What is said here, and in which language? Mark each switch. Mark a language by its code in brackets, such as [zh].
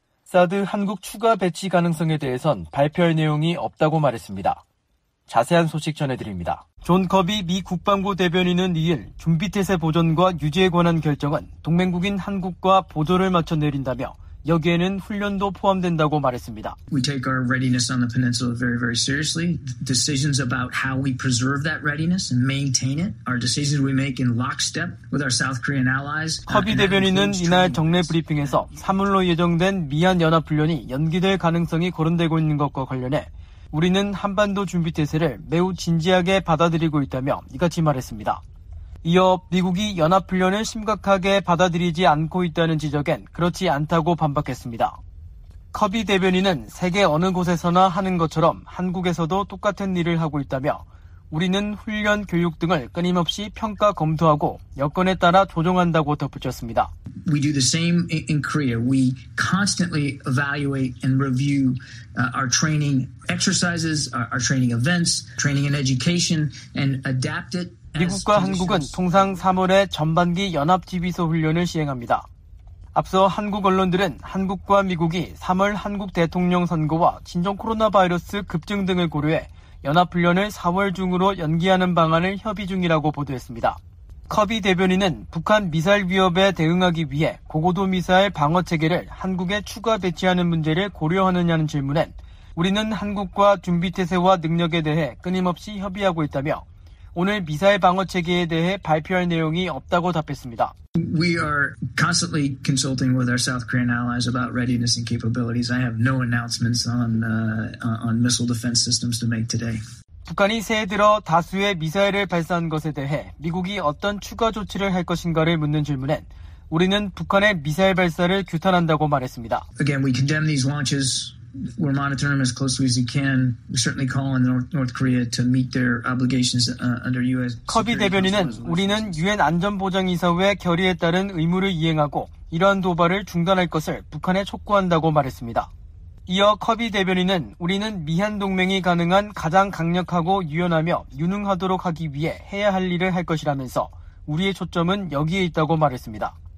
[ko] 사드 한국 추가 배치 가능성에 대해선 발표할 내용이 없다고 말했습니다. 자세한 소식 전해드립니다. 존 커비 미 국방부 대변인은 2일 준비태세 보존과 유지에 관한 결정은 동맹국인 한국과 보조를 맞춰 내린다며 여기에는 훈련도 포함된다고 말했습니다. [en] We take our readiness on the peninsula very, very seriously. Decisions about how we preserve that readiness and maintain it are decisions we make in lockstep with our South Korean allies. [ko] 커비 대변인은 이날 정례 브리핑에서 3월로 예정된 미한 연합 훈련이 연기될 가능성이 거론되고 있는 것과 관련해 우리는 한반도 준비 태세를 매우 진지하게 받아들이고 있다며 이같이 말했습니다. 이어 미국이 연합훈련을 심각하게 받아들이지 않고 있다는 지적엔 그렇지 않다고 반박했습니다. 커비 대변인은 세계 어느 곳에서나 하는 것처럼 한국에서도 똑같은 일을 하고 있다며 우리는 훈련, 교육 등을 끊임없이 평가 검토하고 여건에 따라 조정한다고 덧붙였습니다. [en] We do the same in Korea. We constantly evaluate and review our training exercises, our training events, training and education, and adapt it. [ko] 미국과 한국은 통상 3월에 전반기 연합지휘소 훈련을 시행합니다. 앞서 한국 언론들은 한국과 미국이 3월 한국 대통령 선거와 신종 코로나 바이러스 급증 등을 고려해 연합훈련을 4월 중으로 연기하는 방안을 협의 중이라고 보도했습니다. 커비 대변인은 북한 미사일 위협에 대응하기 위해 고고도 미사일 방어체계를 한국에 추가 배치하는 문제를 고려하느냐는 질문엔 우리는 한국과 준비태세와 능력에 대해 끊임없이 협의하고 있다며 오늘 미사일 방어 체계에 대해 발표할 내용이 없다고 답했습니다. [en] We are constantly consulting with our South Korean allies about readiness and capabilities. I have no announcements on missile defense systems to make today. [ko] 북한이 새해 들어 다수의 미사일을 발사한 것에 대해 미국이 어떤 추가 조치를 할 것인가를 묻는 질문엔 우리는 북한의 미사일 발사를 규탄한다고 말했습니다. [en] Again, we condemn these launches. We're monitoring them as closely as we can. We certainly call on North Korea to meet their obligations under U.S. [ko] 커비 대변인은 우리는 유엔 안전보장이사회 결의에 따른 의무를 이행하고 이러한 도발을 중단할 것을 북한에 촉구한다고 말했습니다. 이어 커비 대변인은 우리는 미한 동맹이 가능한 가장 강력하고 유연하며 유능하도록 하기 위해 해야 할 일을 할 것이라면서 우리의 초점은 여기에 있다고 말했습니다.